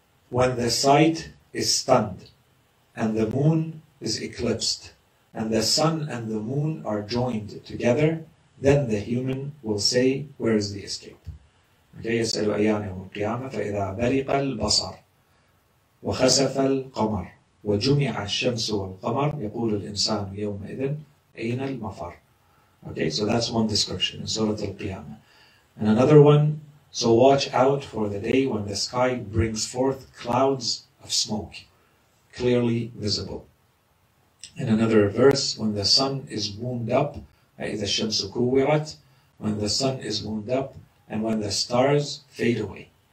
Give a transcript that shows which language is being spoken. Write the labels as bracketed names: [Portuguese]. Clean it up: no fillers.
[English] When the sight is stunned and the moon is eclipsed and the sun and the moon are joined together, then the human will say, where is the escape? [Arabic] يسألوا أيان يوم القيامة فإذا برق البصر وخسف القمر وجمع الشمس والقمر يقول الإنسان يومئذ أين المفر. [English] Okay, so that's one description in Surah Al-Qiyamah. And another one, so watch out for the day when the sky brings forth clouds of smoke, clearly visible. In another verse, when the sun is wound up, [Arabic] فإذا الشمس كورت, [English] when the sun is wound up, and when the stars fade away.